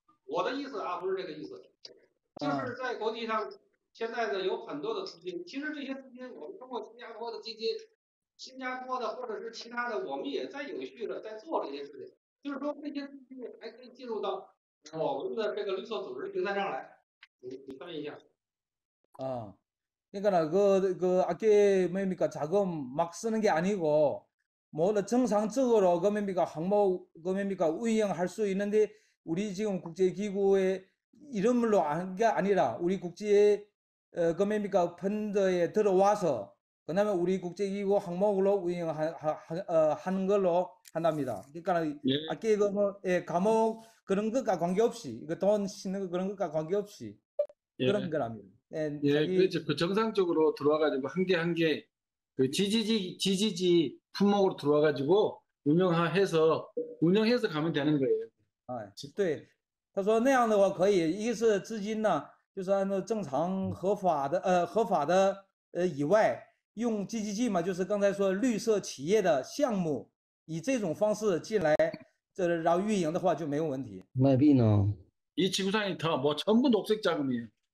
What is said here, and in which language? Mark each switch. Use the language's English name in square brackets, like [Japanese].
[Chinese] 我的意思啊，不是这个意思，就是在国际上现在呢有很多的资金，其实这些资金我们通过新加坡的基金，新加坡的或者是其他的，我们也在有序的在做这些事情，就是说这些资金还可以进入到我们的这个绿色组织平台上来。你翻译一下。啊。 [Korean] 그러니까 그 아까 뭡니까 자금 막 쓰는 게 아니고 뭐 정상적으로 그 뭡니까 항목 그 뭡니까 운영할 수 있는데 우리 지금 국제기구의 이름으로 한 게 아니라 우리 국제의 그 뭡니까 펀드에 들어와서 그 다음에 우리 국제기구 항목으로 운영한 걸로 한답니다. 그러니까 네. 아까 그 뭐 예, 감옥 그런 것과 관계없이 그 돈 씻는 거 그런 것과 관계없이 네. 그런 거랍니다. 예, 그 정상적으로 들어와가지고 한 개 한 개 그 지지지 품목으로 들어와가지고 운영해서 가면 되는 거예요. 아, 네. [Chinese] 他说那样的话可以， [Korean] 이게 [Chinese] 是资金呢，就是按照正常合法的以外，用基金嘛，就是刚才说绿色企业的项目，以这种方式进来，这然后运营的话就没有问题。 마비노. [Korean] 이 지구상이 다 뭐 전부 녹색 자금이에요.